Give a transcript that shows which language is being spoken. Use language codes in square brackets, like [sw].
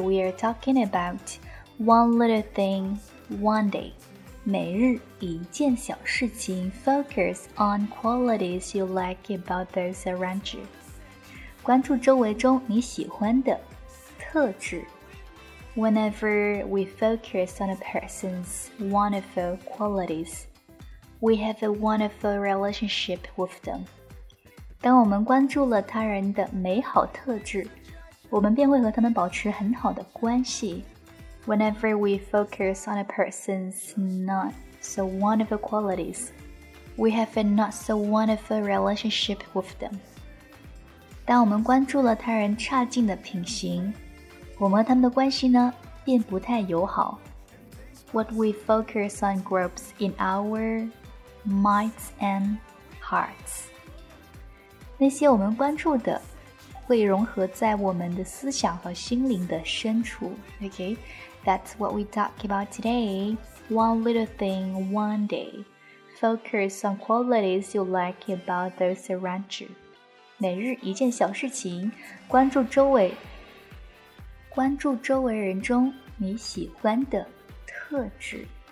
[en] We are talking about one little thing, one day. [zh] 每日一件小事情 [en] Focus on qualities you like about those around you. [zh] 关注周围中你喜欢的特质。 [en] Whenever we focus on a person's wonderful qualities, we have a wonderful relationship with them. [zh] 当我们关注了他人的美好特质，我们便会和他们保持很好的关系。 [en] Whenever we focus on a person's not so wonderful qualities, we have a not so wonderful relationship with them. [zh] 当我们关注了他人差劲的品行，我们和他们的关系呢，便不太友好。 [en] What we focus on grows in our minds and hearts. [zh] 那些我们关注的，会融合在我们的思想和心灵的深处。 [en] Okay, that's what we talk about today. One little thing, one day. Focus on qualities you like about those around you. [zh] 每日一件小事情，关注周围。关注周围人中你喜欢的特质。